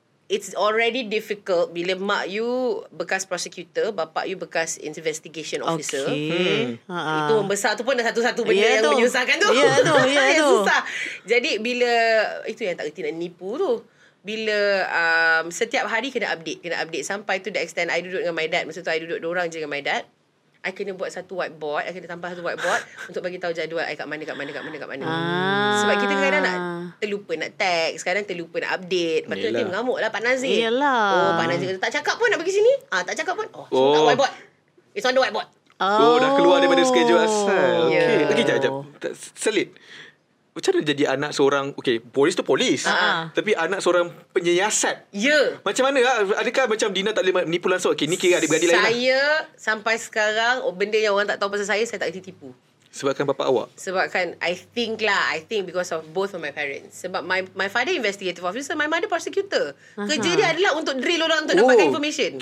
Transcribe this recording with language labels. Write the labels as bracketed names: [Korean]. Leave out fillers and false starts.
[English] It's already difficult [Malay] bila mak [English] you bekas prosecutor, bapak you bekas investigation officer. [Malay] Itu membesar tu pun dah satu-satu benda yang menyusahkan tu. Susah. Jadi bila, itu yang tak kerti nak nipu tu. Bila setiap hari kena update. Sampai tu [English] the extent [Malay] I duduk dengan [English] my dad. [Malay] Masa tu I duduk dorang je dengan my dad. I kena buat satu whiteboard. I kena tambah satu whiteboard untuk bagi tahu jadual I kat mana. Sebab kita kadang nak terlupa nak text, sekarang terlupa nak update. Lepas tu nanti mengamuk lah Pak Nazir. Yelah. Pak Nazir kata, tak cakap pun nak pergi sini. Tak cakap pun. Tak whiteboard. [English] It's on the whiteboard. [Malay] Oh, dah keluar daripada schedule asal. Yeah. Okay, okay, jap. Selit. Macam mana jadi anak seorang, okay, polis tu polis. Uh-huh. Tapi anak seorang penyiasat. Ya. Yeah. Macam mana? Adakah macam Dina tak boleh menipu langsung? Okay, ni kira adik-beradik lain lah. Saya sampai sekarang, benda yang orang tak tahu pasal saya tak kena tipu. Sebabkan bapa awak? Sebabkan, [English] I think because of both of my parents. [Malay] Sebab [English] my father investigative officer, my mother prosecutor. Uh-huh. [Malay] Kerja dia adalah untuk drill orang untuk dapatkan information.